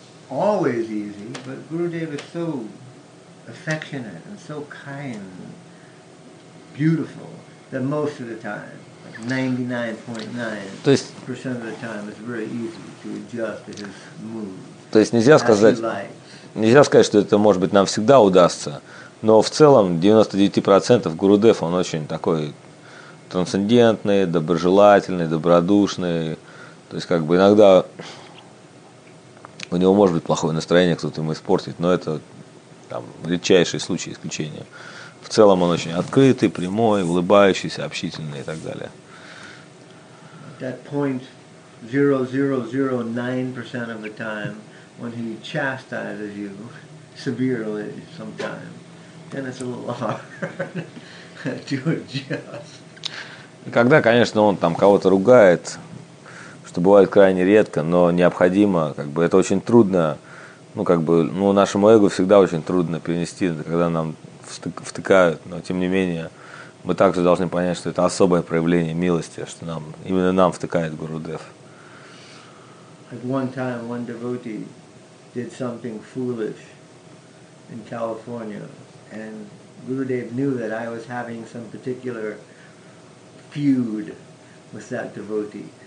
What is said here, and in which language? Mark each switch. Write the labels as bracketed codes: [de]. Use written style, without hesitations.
[en] Always easy, but Gurudev is so affectionate and so kind and beautiful that most of the time, like 99.9% of the time, it's very easy to adjust to his mood. [ru] То есть нельзя сказать, что это может быть нам всегда удастся, но в целом 99% Гурудев он очень такой трансцендентный, доброжелательный, добродушный. То есть как бы иногда у него может быть плохое настроение, кто-то ему испортит, но это там редчайший случай, исключение. В целом он очень открытый, прямой, улыбающийся, общительный и так далее. [en] That point 0.009% of the time when he chastises you severely sometimes, then it's a little hard to adjust. [ru] Когда, конечно, он там кого-то ругает, что бывает крайне редко, но необходимо, как бы это очень трудно, ну как бы, ну нашему эго всегда очень трудно перенести, когда нам втыкают, но тем не менее мы также должны понять, что это особое проявление милости, что нам именно нам втыкает Гурудев. [en] At one time, one devotee did something foolish in California, and Gurudev knew that I was having some particular feud with that devotee.